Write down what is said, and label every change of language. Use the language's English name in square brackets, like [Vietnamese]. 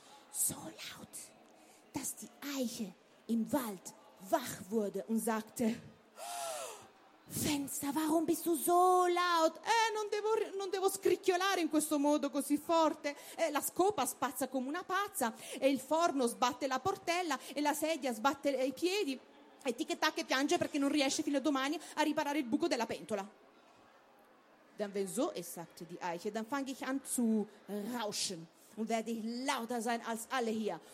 [German] So laut, dass die Eiche im Wald wach wurde und sagte: Fenster, warum bist du so laut? [Italian] Non devo scricchiolare in questo modo così forte. La scopa spazza come una pazza e il forno sbatte la portella e la sedia sbatte i piedi e Tic Tac piange perché non riesce fino a domani a riparare il buco della pentola. [German] Dann wenn so ist, sagte die Eiche, dann fange ich an zu rauschen und werde ich lauter sein als alle hier.